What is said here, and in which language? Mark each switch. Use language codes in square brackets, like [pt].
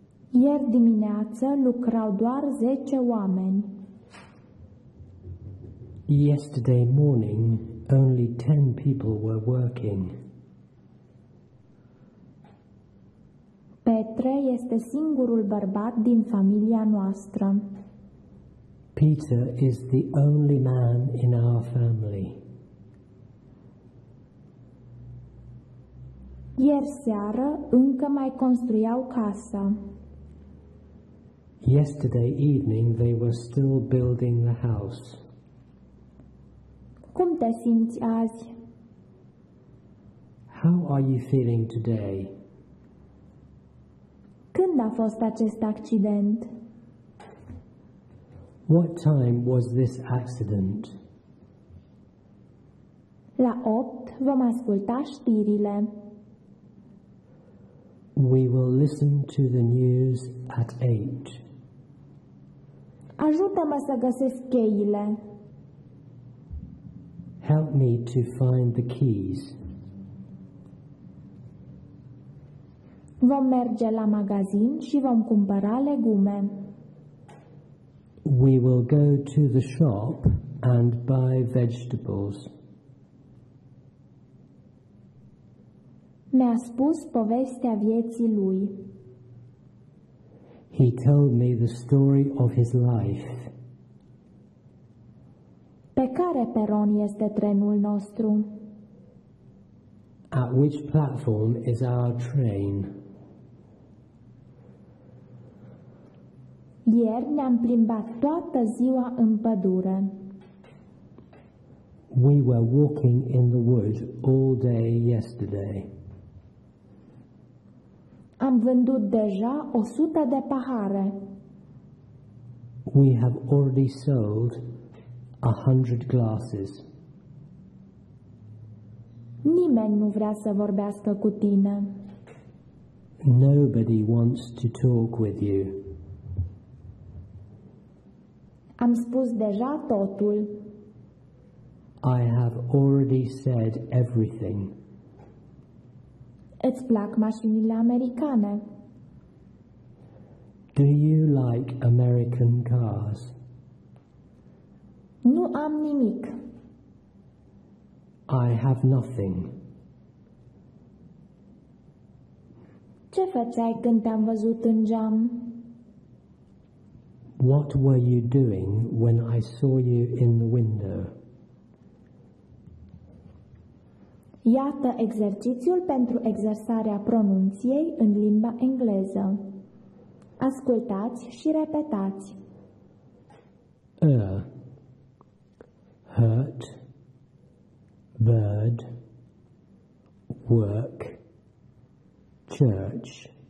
[ro] Ieri dimineață lucrau doar 10 oameni. [en] Yesterday morning, only 10 people were working. [ro] Petre este singurul bărbat din familia noastră. [en] Peter is the only man in our family. [ro] Ieri seară încă mai construiau casa. [en] Yesterday evening they were still building the house. [ro] Cum te simți azi? [en] How are you feeling today? [ro] Când a fost acest accident? [en] What time was this accident? [ro] La 8 vom asculta știrile. [en] We will listen to the news at 8. [ro] Ajută-mă să găsesc cheile. [en] Help me to find the keys. [ro] Vom merge la magazin și vom cumpăra legume. [en] We will go to the shop and buy vegetables. [ro] Mi-a spus povestea vieții lui. [en] He told me the story of his life. [ro] Pe care peron este trenul nostru? [en] At which platform is our train? [ro] Ieri ne-am plimbat toată ziua în pădure. [en] We were walking in the woods all day yesterday. [ro] Am vândut deja 100 de pahare. [en] We have already sold 100 glasses. [ro] Nimeni nu vrea să vorbească cu tine. [en] Nobody wants to talk with you. [ro] Am spus deja totul. [en] I have already said everything. [ro] Îți plac mașinile americane? [en] Do you like American cars? [ro] Nu am nimic. [en] I have nothing. [ro] Ce făceai când te-am văzut în geam? [en] What were you doing when I saw you in the window? [ro] Iată exercițiul pentru exersarea pronunției în limba engleză. Ascultați și repetați. [en] Hurt, bird, work, church.